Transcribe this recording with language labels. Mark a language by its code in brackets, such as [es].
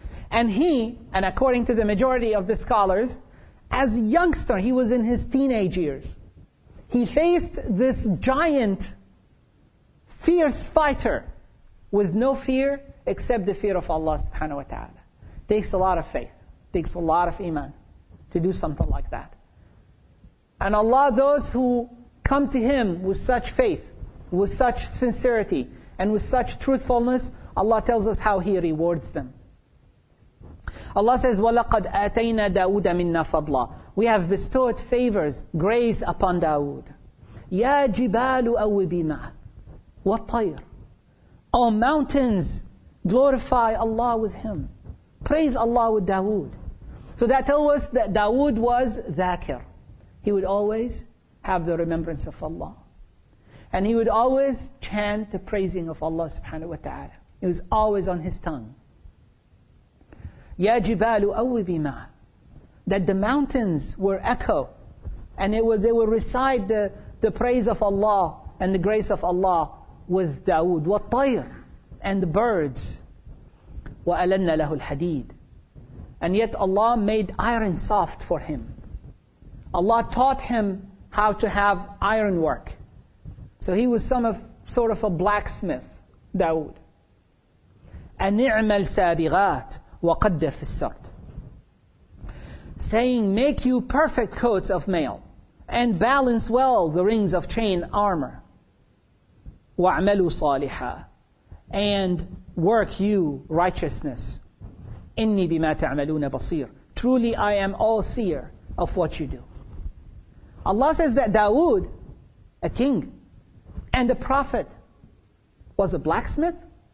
[en] And he, and according to the majority of the scholars, as a youngster, he was in his teenage years, he faced this giant, fierce fighter with no fear except the fear of Allah subhanahu wa ta'ala. Takes a lot of faith, takes a lot of iman to do something like that. And Allah, those who come to Him with such faith, with such sincerity, and with such truthfulness, Allah tells us how He rewards them. Allah says, [ar] وَلَقَدْ آتَيْنَا دَاوُدَ مِنَّا فَضْلًا. [en] We have bestowed favors, grace upon Dawood. [ar] يَا جِبَالُ أَوِّبِي مَعَهُ وَالطَّيْرُ. [en] O mountains, glorify Allah with him. Praise Allah with Dawood. So that tells us that Dawood was ذاكر. He would always have the remembrance of Allah. And he would always chant the praising of Allah subhanahu wa ta'ala. It was always on his tongue. [ar] يَا جِبَالُ أَوِّبِي مَعَهُ. [en] That the mountains were echo, and they will recite the praise of Allah and the grace of Allah with Dawood. والطير, and the birds. [ar] وَأَلَنَّ لَهُ الْحَدِيدِ. [en] And yet Allah made iron soft for him. Allah taught him how to have iron work. So he was sort of a blacksmith, Dawood. [ar] أَنِعْمَ السَّابِغَاتِ وَقَدَّرْ فِي السَّرْدِ. [en] Saying, make you perfect coats of mail, and balance well the rings of chain armor. [ar] وَعْمَلُوا صَالِحًا. [en] And work you righteousness. [ar] إِنِّي بِمَا تَعْمَلُونَ بَصِيرٌ. [en] Truly I am all seer of what you do. Allah says that Dawood, a king and a prophet, was a blacksmith?